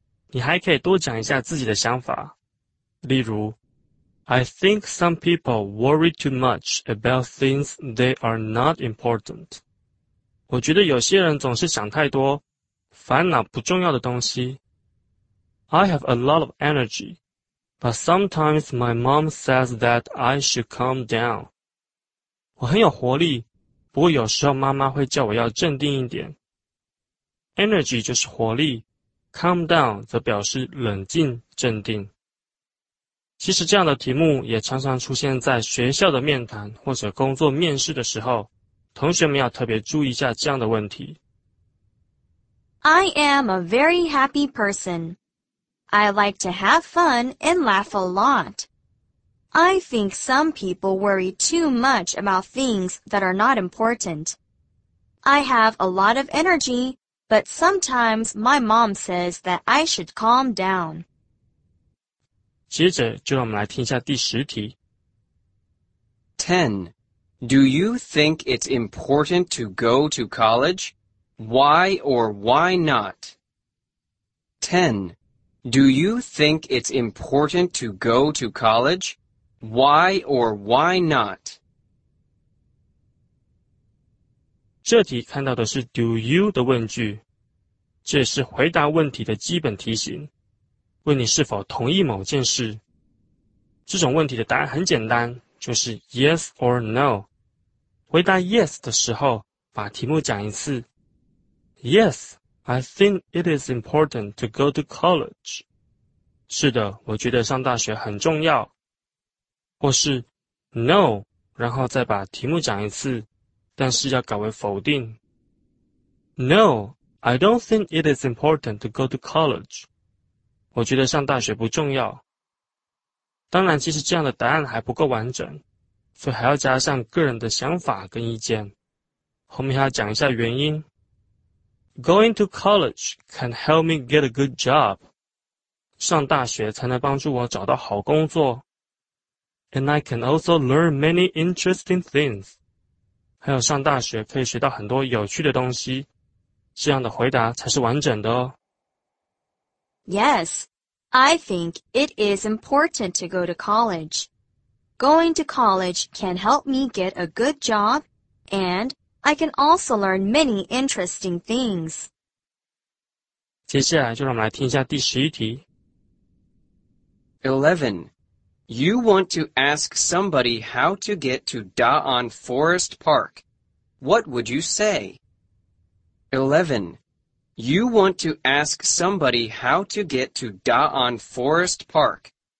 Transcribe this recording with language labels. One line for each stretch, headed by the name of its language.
Chinese: 你还可以多讲一下自己的想法，例如
English: I think some people worry too much about things they are not important.
Chinese: 我觉得有些人总是想太多，烦恼不重要的东西。
English: I have a lot of energy, but sometimes my mom says that I should calm down.
Chinese: 我很有活力，不过有时候妈妈会叫我要镇定一点。 Energy 就是活力， calm down 则表示冷静、镇定。其实这样的题目也常常出现在学校的面谈或者工作面试的时候，同学们要特别注意一下这样的问题。
English: I am a very happy person. I like to have fun and laugh a lot. I think some people worry too much about things that are not important. I have a lot of energy, But sometimes my mom says that I should calm down.
Chinese: 接着就让我们来听一下第十题。
English: 10. Do you think it's important to go to college? Why or why not? 10. Do you think it's important to go to college? Why or why not?
Chinese: 这题看到的是 do you 的问句，这是回答问题的基本题型，问你是否同意某件事。这种问题的答案很简单，就是 yes or no。回答 yes 的时候，把题目讲一次。
English: Yes, I think it is important to go to college.
Chinese: 是的，我觉得上大学很重要。或是 No, 然后再把题目讲一次，但是要改为否定。
English: No, I don't think it is important to go to college.
Chinese: 我觉得上大学不重要。当然，其实这样的答案还不够完整，所以还要加上个人的想法跟意见。后面还要讲一下原因。
English: Going to college can help me get a good job.
Chinese: 上大学才能帮助我找到好工作。
English: And I can also learn many interesting things.
Chinese: 还有上大学可以学到很多有趣的东西。这样的回答才是完整的哦。
English: Yes, I think it is important to go to college. Going to college can help me get a good job and... I can also learn many interesting things.
Chinese: 接下来就让我们来听一下第十一题。
English: 11. You want to ask somebody how to get to Da'an Forest Park. What would you say? 11. You want to ask somebody how to get to Da'an Forest Park.